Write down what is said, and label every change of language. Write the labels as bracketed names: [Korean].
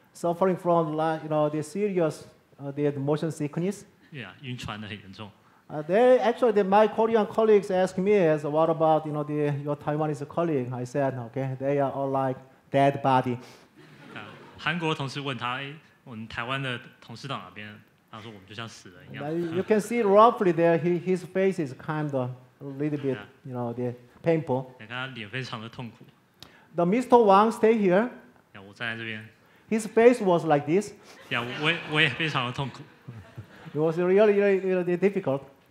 [English] Suffering from, you know, the serious, the motion sickness. [Chinese] Yeah, 晕船的很严重。 [English] Actually, my Korean colleagues asked me, so what about, you know, your Taiwanese colleague? I said, okay, they are all like dead body. [Chinese] 韩国同事问他，我们台湾的同事到哪边？他说我们就像死人一样。 [English] You can see roughly there, his face is kind of a little bit, you know, the painful. [Chinese] 你看他脸非常的痛苦。 [English] The Mr. Wang stay here. [Chinese] Yeah, 我站在这边。 [English] His face was like this. [Chinese] Yeah, 我也非常的痛苦。 [English] It was really, really difficult.